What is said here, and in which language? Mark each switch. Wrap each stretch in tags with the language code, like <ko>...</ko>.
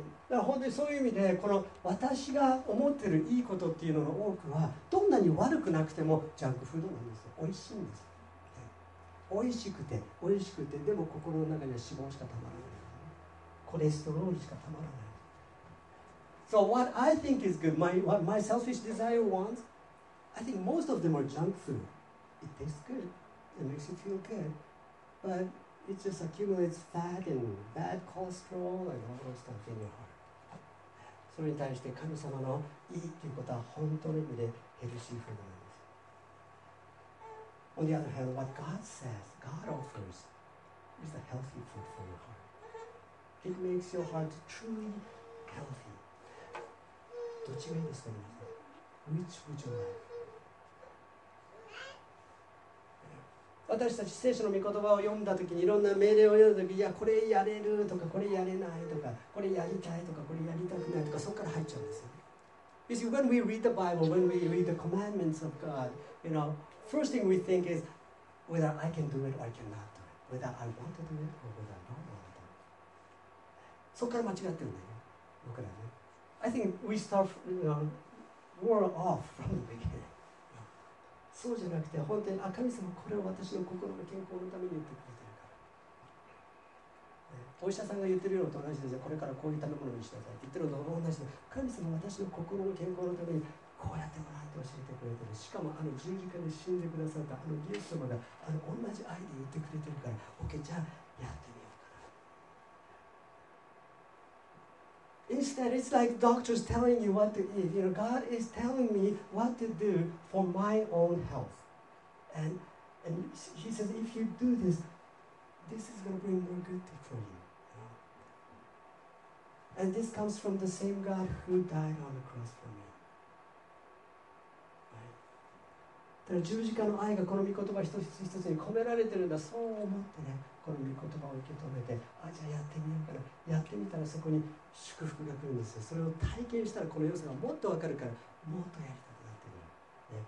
<ja>だから本当にそういう意味で、この私が思っているいいことっていうのの多くは、どんなに悪くなくてもジャンクフードなんですよ。美味しいんですよ、ね、美味しくて美味しくて、でも心の中には脂肪しかたまらない、コレステロールしかたまらない。</ja> <en>So what I think is good, what my selfish desire wants, I think most of them are junk food. It tastes good, it makes you feel good, butIt just accumulates fat and bad cholesterol and all those stuff in your heart.</en> <ja>それに対して神様のいいっていうことは本当の意味でヘルシーフードなんです。</ja> <en>On the other hand, what God says, God offers, is the healthy food for your heart. It makes your heart truly healthy.</en> <ja>どっちがいいですか、皆さん。</ja> <en>Which would you like?</en> <ja>私たち聖書の御言葉を読んだときに、いろんな命令を読んだとき、いやこれやれるとか、これやれないとか、これやりたいとか、これやりたくないとか、そこから入っちゃうんですよ。</ja> <en>You see, when we read the Bible, when we read the commandments of God, you know, first thing we think is whether I can do it or I cannot do it, whether I want to do it or whether I don't want to do it.</en> <ja>そこから間違ってるんだよね、僕らね。</ja> <en>I think we start, you know, we're off from the beginning.</en> <ja>そうじゃなくて、本当に、あ、神様、これを私の心の健康のために言ってくれてるから、ね、お医者さんが言ってるのと同じですよ。これからこういう食べ物にしなさいって言ってるのと同じで、神様、私の心の健康のためにこうやってもらって教えてくれてる。しかも、あの十字架で死んでくださったあのイエス様が、あの同じ愛で言ってくれてるから、 OK、 じゃあやってみようかな。</ja> <en>Instead, it's like doctors telling you what to eat. You know, God is telling me what to doFor my own health. And he says, if you do this, this is going to bring more good for you. And this comes from the same God who died on the cross for me.</en> <ja>だから十字架の愛がこの御言葉一つ一つに込められてるんだ。そう思ってね、この御言葉を受け止めて、あ、じゃあやってみようかな。やってみたらそこに祝福が来るんですよ。それを体験したらこの良さがもっとわかるから、もっとやりたい。</ja>